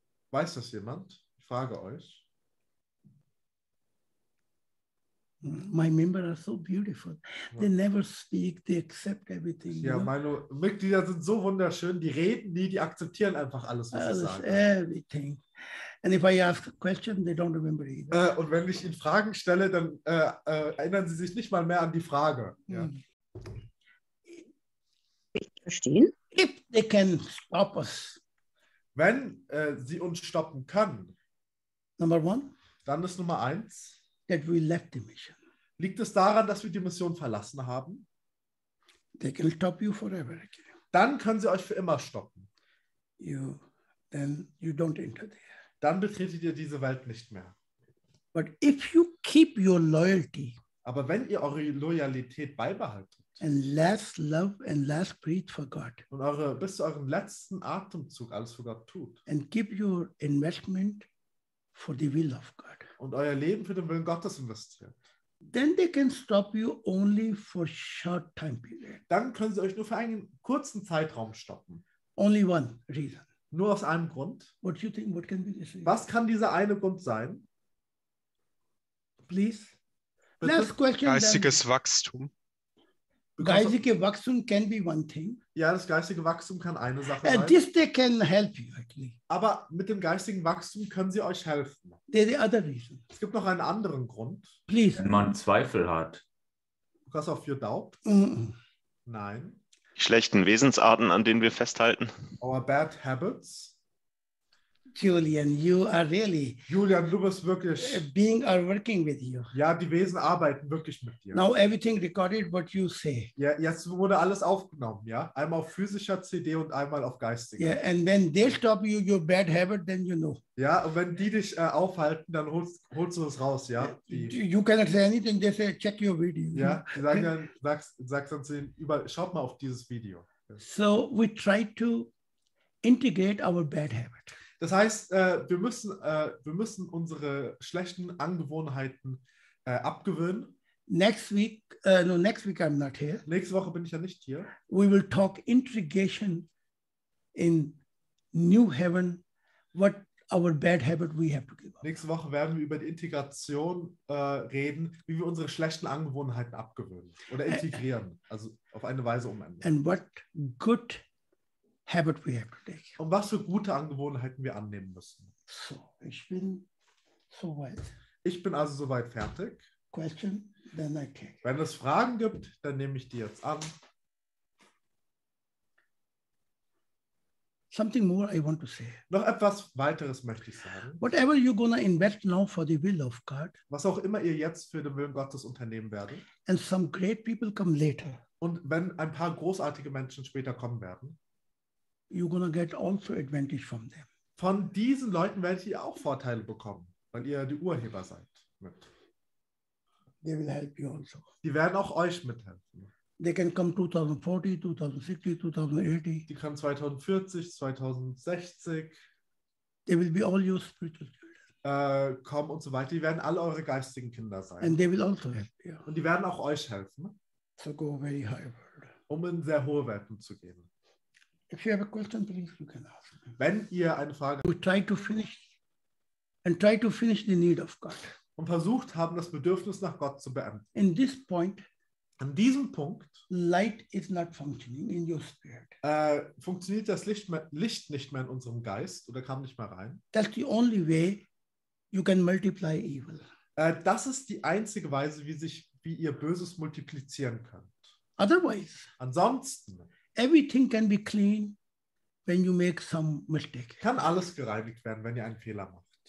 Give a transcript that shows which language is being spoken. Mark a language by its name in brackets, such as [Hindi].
[German] Weiß das jemand? Ich frage euch. [English] My members are so beautiful. They never speak, they accept everything. [German] Ja, meine Mitglieder sind so wunderschön, die reden nie, die akzeptieren einfach alles, was sie sagen. [English] Everything. And if I ask a question, they don't remember either. [German] Und wenn ich ihnen Fragen stelle, dann erinnern sie sich nicht mal mehr an die Frage. Ja. Ich verstehe. [English] If they can stop us. [German] Wenn sie uns stoppen können, [English] number one, [German] dann ist Nummer eins, [English] that we left the mission. [German] Liegt es daran, dass wir die Mission verlassen haben? [English] They can stop you forever again. [German] Dann können sie euch für immer stoppen. [English] Then you don't enter there. [German] Dann betretet ihr diese Welt nicht mehr. [English] But if you keep your loyalty, [German] aber wenn ihr eure Loyalität beibehaltet [English] and last love and last breath for God, [German] und eure, bis zu eurem letzten Atemzug alles für Gott tut [English] and keep your investment for the will of God, [German] und euer Leben für den Willen Gottes investiert, [English] then they can stop you only for short time period. [German] Dann können sie euch nur für einen kurzen Zeitraum stoppen. [English] Only one reason. [German] Nur aus einem Grund. [English] What you think, what can be this? [German] Was kann dieser eine Grund sein? [English] Please. Last question, [German] geistiges [English] then. [German] Wachstum. Geistige Wachstum [English] can be one thing. [German] Ja, das geistige Wachstum kann eine Sache sein. [English] This they can help you, actually. [German] Aber mit dem geistigen Wachstum können sie euch helfen. [English] There's the other reason. [German] Es gibt noch einen anderen Grund. [English] Please. [German] Wenn man Zweifel hat. [English] Because of your doubt? Mm-mm. [German] Nein. schlechten Wesensarten, an denen wir festhalten. [English] Our bad habits. Julian, you are really. [German] Julian, du bist wirklich. [English] Being are working with you. [German] Ja, die Wesen arbeiten wirklich mit dir. [English] Now everything recorded, what you say. [German] Ja, jetzt wurde alles aufgenommen, ja. Einmal auf physischer CD und einmal auf geistiger. [English] Yeah, and when they stop you, your bad habit, then you know. [German] Ja, und wenn die dich aufhalten, dann holst du es raus, ja. [English] You cannot say anything. They say check your video. [German] Ja, sag dann zu ihnen, schaut mal auf dieses Video. [English] So we try to integrate our bad habit. [German] Das heißt, wir müssen unsere schlechten Angewohnheiten abgewöhnen. [English] Next week I'm not here. [German] Nächste Woche bin ich ja nicht hier. [English] We will talk integration in new heaven, what our bad habit we have to give up. [German] Nächste Woche werden wir über die Integration reden, wie wir unsere schlechten Angewohnheiten abgewöhnen oder integrieren, also auf eine Weise umändern. [English] And what good habit we have to take. [German] Und was für gute Angewohnheiten wir annehmen müssen. So, ich bin soweit. Ich bin also soweit fertig. [English] Question, then I take. [German] Wenn es Fragen gibt, dann nehme ich die jetzt an. [English] Something more I want to say. [German] Noch etwas weiteres möchte ich sagen. [English] Whatever you're gonna invest now for the will of God. [German] Was auch immer ihr jetzt für den Willen Gottes unternehmen werdet. [English] And some great people come later. [German] Und wenn ein paar großartige Menschen später kommen werden. [English] You're gonna get also advantage from them. [German] Von diesen Leuten werdet ihr auch Vorteile bekommen, weil ihr die Urheber seid. [English] They will help you also. [German] Die werden auch euch mithelfen. [English] They can come 2040, 2060, 2080. [German] Die kann 2040, 2060. [English] They will be all your spiritual children. [German] Kommen und so weiter. Die werden alle eure geistigen Kinder sein. [English] And they will also help you. [German] Und die werden auch euch helfen. [English] To go very high world. [German] Um in sehr hohe Welten zu gehen. [English] If you have a question, please you can ask. [German] Wenn ihr eine Frage habt, [English] try to finish the need of God. [German] Und versucht haben, das Bedürfnis nach Gott zu beenden. [English] In this point, [German] an diesem Punkt, [English] light is not functioning in your spirit. [German] Funktioniert das Licht nicht mehr in unserem Geist oder kam nicht mehr rein? [English] That's the only way you can multiply evil. [German] Das ist die einzige Weise, wie ihr Böses multiplizieren könnt. [English] Otherwise. [German] Ansonsten. [English] Everything can be clean when you make some mistake. [German] Kann alles gereinigt werden, wenn ihr einen Fehler macht.